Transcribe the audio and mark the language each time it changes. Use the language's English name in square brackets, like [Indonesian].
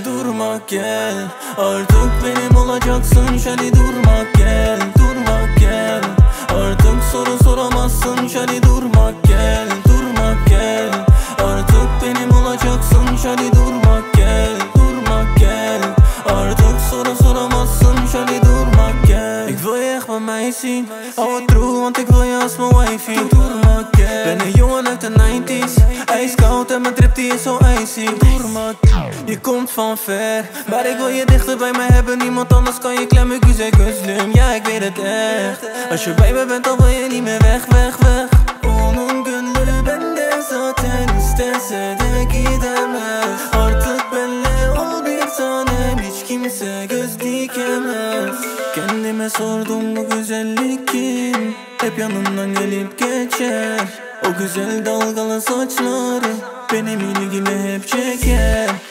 [Turkish] Durma gel, artık benim olacaksın. Şöyle durma gel, durma gel. Artık soru soramazsın. Şöyle durma gel, durma gel. Artık benim olacaksın. Şöyle durma gel, durma gel. Artık soru soramazsın. Şöyle durma gel. [Dutch] Ik wil je echt bij mij zien. Hou het true, want ik wil je als mijn wifey. [Turkish] Durma gel. [Dutch] Ben een jongen uit de 90's. Ijskoud en mijn drip die is zo icy. [Turkish] Durma gel. [Dutch] Je komt van ver, maar ik wil je dichter bij mij hebben. Niemand anders kan je klemmen. Ik zeg slim, ja ik weet het echt. Als je bij me bent dan wil je niet meer weg, weg, weg. [Turkish] Onongunlu ben de zaten istense de gidemez. Artık benle ol bir tanem, hiç kimse göz dikemez. Kendime sordum bu güzellik kim? Hep yanımdan gelip geçer. O güzel dalgalı saçları benim ilgimi hep çeker.